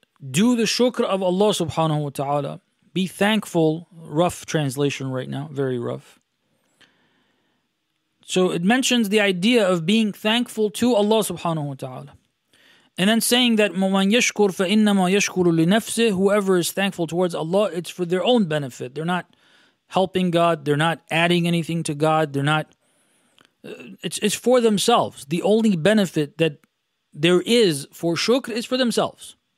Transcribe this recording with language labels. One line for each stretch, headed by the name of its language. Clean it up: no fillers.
English: Do the shukr of Allah subhanahu wa ta'ala. Be thankful. Rough translation right now, very rough. So it mentions the idea of being thankful to Allah subhanahu wa ta'ala. And then saying that
Arabic: مَنْ يَشْكُرْ فَإِنَّمَا يَشْكُرُ لِنَفْسِهِ.
English: Whoever is thankful towards Allah, it's for their own benefit. They're not helping God. They're not adding anything to God. They're not... It's for themselves. The only benefit that there is for shukr is for themselves.